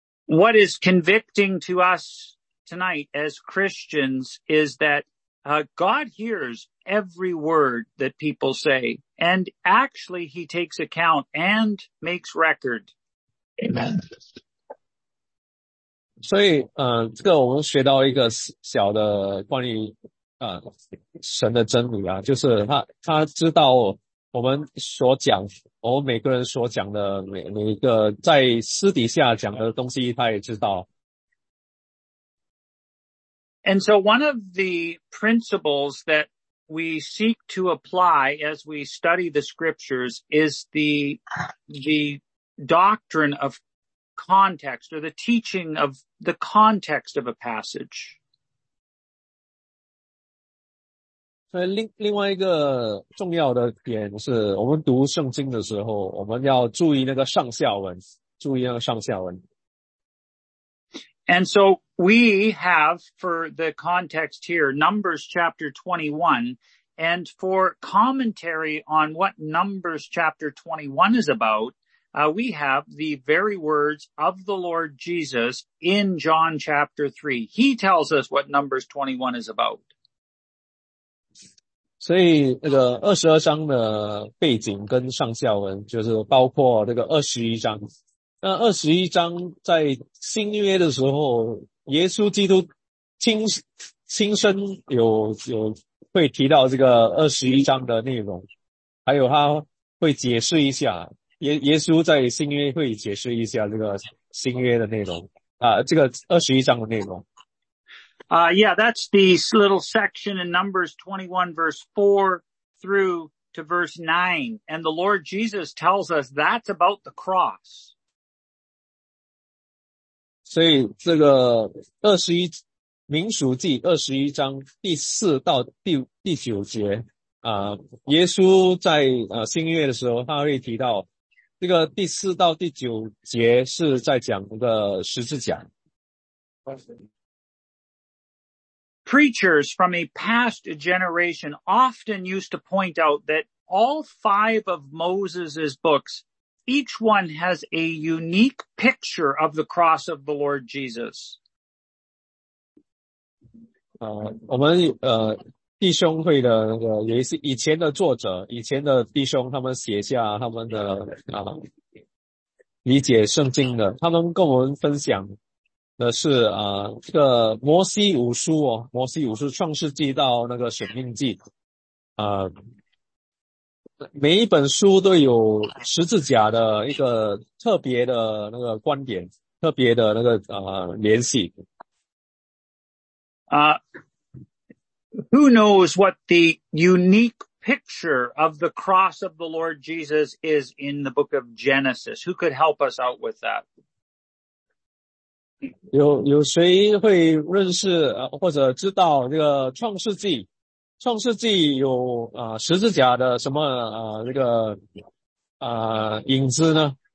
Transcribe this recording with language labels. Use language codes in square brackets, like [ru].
[en] What is convicting to us tonight as Christians is that God hears every word that people say, and actually he takes account and makes record. Amen. [zh] 所以这个我们学到一个小的关于神的真理就是他知道我我们所讲，我们每个人所讲的每一个在私底下讲的东西，他也知道。 [en] And so one of the principles that we seek to apply as we study the scriptures is the doctrine of context or the teaching of the context of a passage. [zh] 另外一个重要的点是我们读圣经的时候我们要注意那个上下文，注意那个上下文。 [en] And so we have for the context here, Numbers chapter 21, and for commentary on what Numbers chapter 21 is about, we have the very words of the Lord Jesus in John chapter 3. He tells us what Numbers 21 is about. [zh] 所以那个22章的背景跟上下文就是包括那个21章。那21章在新约的时候耶稣基督亲身有会提到这个21章的内容。还有他会解释一下耶稣在新约会解释一下这个新约的内容。这个21章的内容。 [en] Yeah, that's the little section in Numbers 21 verse 4 through to verse 9. And the Lord Jesus tells us that's about the cross. [zh] 所以这个民数记21章第四到第九节耶稣在新约的时候他会提到这个第四到第九节是在讲一个十字架。 [en] Preachers from a past generation often used to point out that all five of Moses' books, each one has a unique picture of the cross of the Lord Jesus. [zh] 我们弟兄会的那个有一些以前的作者，以前的弟兄，他们写下他们的理解圣经的，他们跟我们分享。那是这个摩西五书哦，摩西五书创世纪到那个审命纪，每一本书都有十字架的一个特别的那个观点，特别的那个联系。 [en] Who knows what the unique picture of the cross of the Lord Jesus is in the book of Genesis? Who could help us out with that? [zh] 有谁会认识或者知道这个创世纪有十字架的什么这个影子呢？